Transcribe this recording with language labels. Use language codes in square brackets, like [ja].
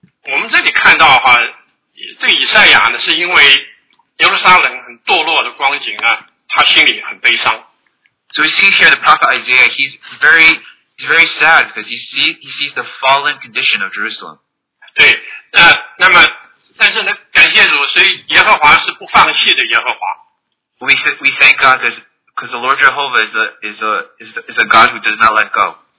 [zh] 我们这里看到哈，这个以赛亚呢，是因为耶路撒冷很堕落的光景呢，他心里很悲伤。 [en] So we see here the prophet Isaiah, he's very sad because he sees the fallen condition of Jerusalem. [zh] 对，那么但是呢，感谢主，所以耶和华是不放弃的耶和华。 [en] We thank God because the Lord Jehovah is a God who does not let go.